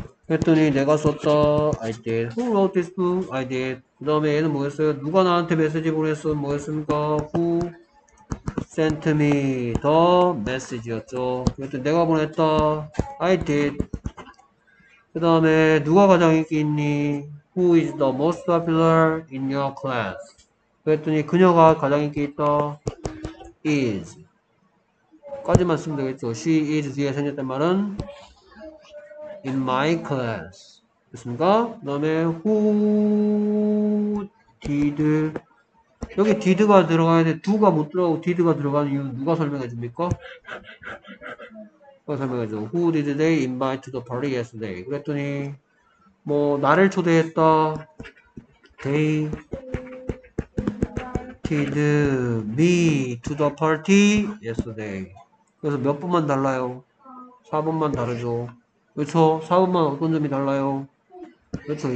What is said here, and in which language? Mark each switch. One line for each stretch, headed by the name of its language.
Korean: 했더니 내가 썼다.
English: I did. Who wrote this book? I did.
Korean: 그 다음에 얘는 뭐였어요? 누가 나한테 메시지 보냈어? 뭐였습니까?
English: Who sent me the message였죠.
Korean: 그랬더니 내가 보냈다. I did. 그 다음에 누가 가장 인기 있니?
English: Who is the most popular in your class?
Korean: 그랬더니 그녀가 가장 인기 있다. Is. 까지만 쓰면 되겠죠. She is 뒤에 생겼단 말은
English: in my class.
Korean: 됐습니까? 그 다음에 who did. 여기 did가 들어가야 돼. do가 못 들어가고 did가 들어가는 이유 누가 설명해 줍니까? 누가 설명해 줘.
English: Who did they invite to the party yesterday?
Korean: 그랬더니 뭐 나를 초대했다.
English: They did me to the party yesterday.
Korean: 그래서 몇 번만 달라요? 4번만 다르죠. 그렇죠? 4번만 어떤 점이 달라요? 그렇죠?